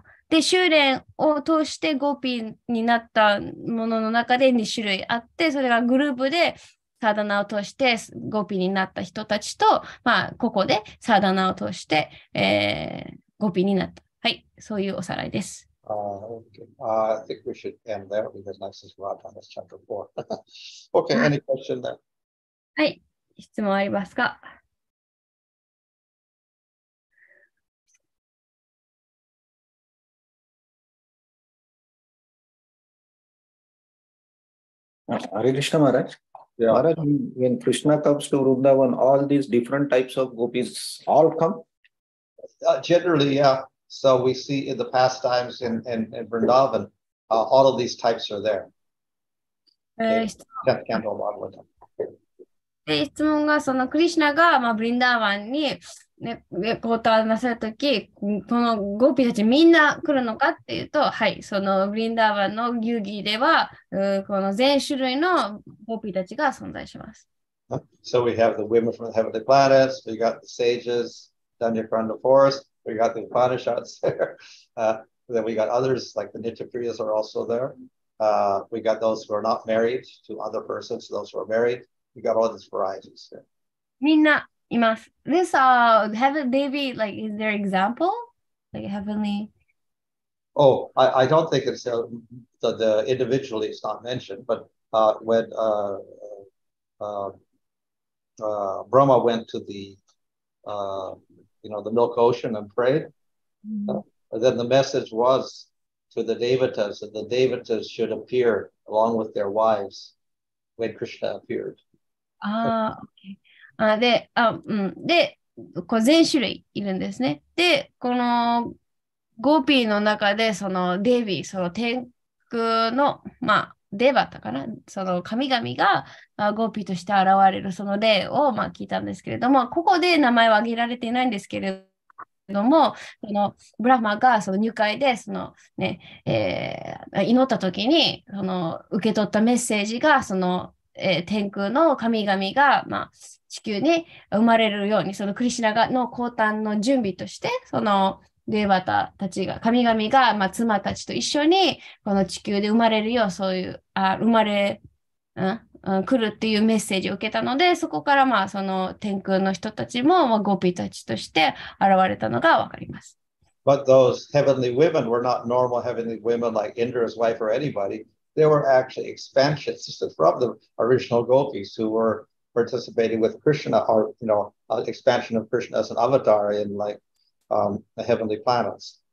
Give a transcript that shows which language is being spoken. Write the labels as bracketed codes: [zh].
[ja] で、修練を通してゴピになったものの中で2種類あって、それがグループでサダナを通してゴピになった人たちと、まあ、ここでサダナを通して、ゴピになった。はい、そういうおさらいです。 [en] Okay. I think we should end there because next is Raja, that's chapter 4. Okay, any question then? [ja] はい、質問ありますか？ [en] Hare Krishna Maharaj. Yeah. Maharaj, when Krishna comes to Vrindavan, all these different types of gopis all come? Generally, yeah. So we see in the pastimes in Vrindavan, all of these types are there. [ja] で、質問がそのクリシュナが、まあ、ブリンダーワンに、ね、コートをなさるとき、このゴピたちみんな来るのかっていうと、はい、そのブリンダーワンの遊戯では、この全種類のゴピたちが存在します。 [en] So we have the women from the heavenly planets, we got the sages, Dhanyakaranda forest, we got the Upanishads there, then we got others like the Nityapriyas are also there, we got those who are not married to other persons, those who are married. We got all these varieties. [ja] みんないます。 [en] This heaven, David, like, is there example? Like, heavenly? Oh, I don't think it's the individually it's not mentioned, but when Brahma went to the, you know, the milk ocean and prayed, then the message was to the devatas that the devatas should appear along with their wives when Krishna appeared. [ja] あ、で、あ、うん、で、こう全種類いるんですね。で、このゴピーの中で、そのデヴィ、その天空の、まあ、デヴァタかな、その神々が、まあ、ゴピーとして現れるその例を、まあ、聞いたんですけれども、ここで名前は挙げられていないんですけれども、そのブラマがその入会で、そのね、祈った時に、その受け取ったメッセージが、その、天空の神々が、まあ、地球に生まれるようにそのクリシナの降誕の準備としてそのデバタたちが神々が、まあ、妻たちと一緒にこの地球で生まれるようそういうあ生まれ、うんうん、来るっていうメッセージを受けたのでそこから、まあ、その天空の人たちも、まあ、ゴピたちとして現れたのがわかります [en] But those heavenly women were not normal heavenly women like Indra's wife or anybodyThey were actually expansions from the original gopis who were participating with Krishna, or, you know, expansion of Krishna as an avatar in like the heavenly planets.